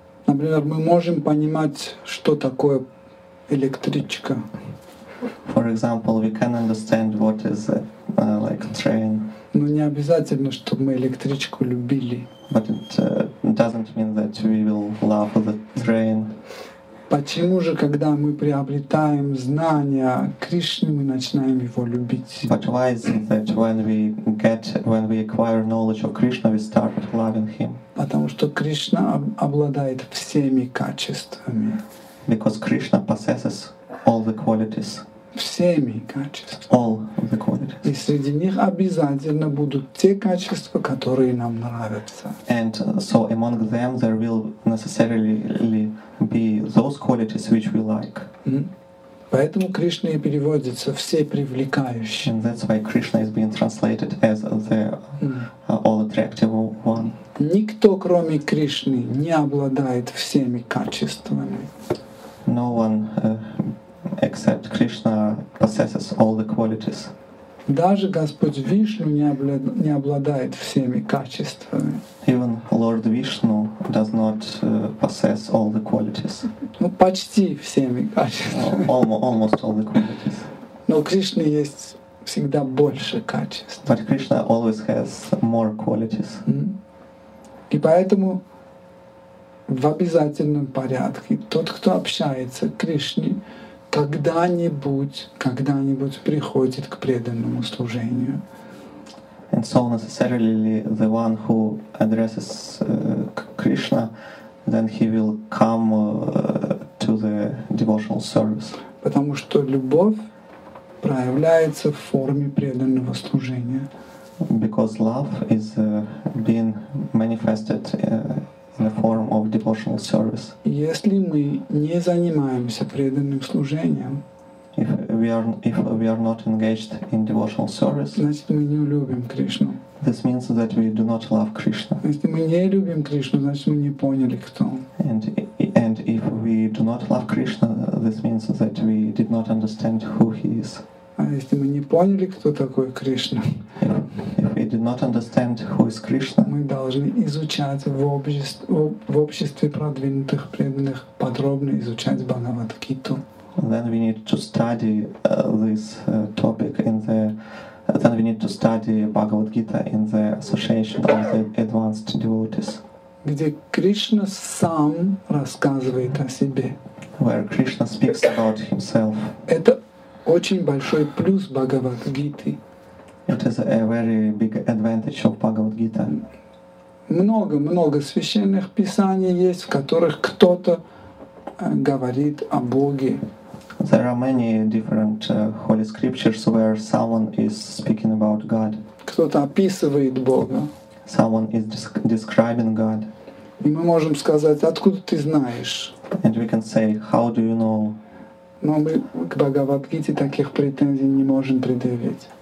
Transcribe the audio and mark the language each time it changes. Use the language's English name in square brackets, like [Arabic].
[Russian] Например, мы можем понимать, что такое электричка. [English] For example, we can understand what is like a train. [Russian] Но не обязательно, чтобы мы электричку любили. [English] But it doesn't mean that we will love the train. [Russian] Почему же, когда мы приобретаем знания Кришны, мы начинаем его любить? [English] But why is it that when we acquire knowledge of Krishna, we start loving him? [Russian] Потому что Кришна обладает всеми качествами. [English] Because Krishna possesses all the qualities. [Russian] Всеми качествами. [English] All the qualities. [Russian] И среди них обязательно будут те качества, которые нам нравятся. [English] And so among them there will necessarily be those qualities which we like. [Russian] Поэтому Кришна и переводится все привлекающие. [English] And that's why Krishna is being translated as the all attractive one. [Russian] Никто, кроме Кришны, не обладает всеми качествами. [English] No one except Krishna possesses all the qualities. [Russian] Даже Господь Вишну не обладает всеми качествами. [English] Even Lord Vishnu does not possess all the qualities. [Russian] Ну, почти всеми качествами. [English] Almost all the qualities. [Russian] Но у Кришны есть всегда больше качеств. [English] But Krishna always has more qualities. [Russian] И поэтому в обязательном порядке тот, кто общается с Кришной, когда-нибудь приходит к преданному служению. [English] And so necessarily the one who addresses Krishna, then he will come to the devotional service. [Russian] Потому что любовь проявляется в форме преданного служения. [English] Because love is being manifested in the form of devotional service. [Russian] Если мы не занимаемся преданным служением, [English] if we are not engaged in devotional service, [Russian] значит мы не любим Кришну. [English] This means that we do not love Krishna. [Russian] Если мы не любим Кришну, значит мы не поняли, кто он. [English] And if we do not love Krishna, this means that we did not understand who he is. [Russian] А если мы не поняли, кто такой Кришна, [English] if we did not understand who is Krishna, [Russian] мы должны изучать в обществе продвинутых преданных, подробно изучать Бхагавад-гиту. [English] Then we need to study this topic in the then we need to study Bhagavad-gita in the association of the advanced devotees. [Russian] Где Кришна сам рассказывает о себе. [English] Where Krishna speaks about himself. [Russian] Это очень большой плюс Бхагавад-гиты. [English] It is a very big advantage of Bhagavad-gita. [Russian] Много священных писаний есть, в которых кто-то говорит о Боге. [English] There are many different holy scriptures where someone is speaking about God. [Russian] Кто-то описывает Бога. [English] Someone is describing God. [Russian] И мы можем сказать: откуда ты знаешь? [English] And we can say, how do you know? [Russian] Но мы к Бхагавад-гите таких претензий не можем предъявить.